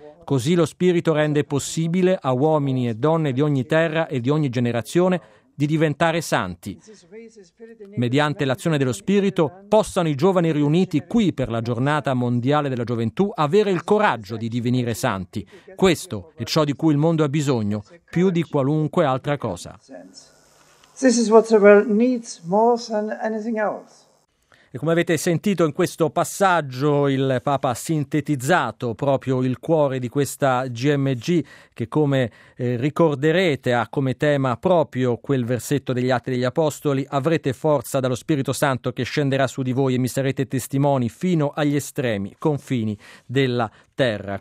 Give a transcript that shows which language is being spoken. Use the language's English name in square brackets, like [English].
[Italian] Così lo Spirito rende possibile a uomini e donne di ogni terra e di ogni generazione di diventare santi. Mediante l'azione dello Spirito possano i giovani riuniti qui per la Giornata Mondiale della Gioventù avere il coraggio di divenire santi. Questo è ciò di cui il mondo ha bisogno più di qualunque altra cosa. [English] This is what the world needs more than anything else. [Italian] E come avete sentito in questo passaggio, il Papa ha sintetizzato proprio il cuore di questa GMG che, come ricorderete, ha come tema proprio quel versetto degli Atti degli Apostoli: avrete forza dallo Spirito Santo che scenderà su di voi e mi sarete testimoni fino agli estremi confini della terra.